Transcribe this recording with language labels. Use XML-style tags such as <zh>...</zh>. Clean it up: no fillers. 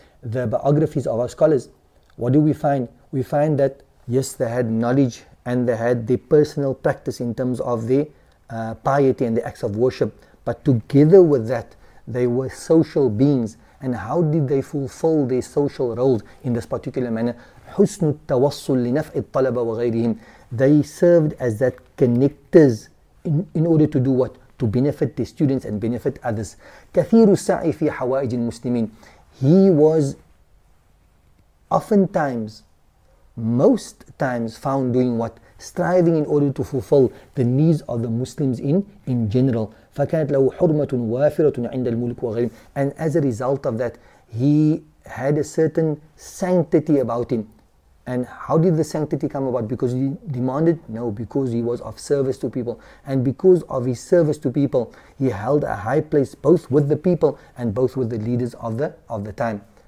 <en>the biographies of our scholars. What do we find? We find that, yes, they had knowledge and they had the personal practice in terms of the piety and the acts of worship. But together with that, they were social beings. And how did they fulfill their social roles in this particular manner?</en> <ar>حسن التوصل لنفع الطلبة وغيرهم.</ar> <en>They served as that connectors in order to do what? To benefit the students and benefit others.</en> <ar>كثير السعي في حوائج المسلمين.</ar> <en>He was oftentimes, most times found doing what? Striving in order to fulfill the needs of the Muslims in general.</en> <ar>فكانت له حرمة وافرة عند الملك وغيرهم.</ar> <en>And as a result of that, he had a certain sanctity about him. And how did the sanctity come about? Because he demanded? No, because he was of service to people. And because of his service to people, he held a high place both with the people and both with the leaders of the time.</en>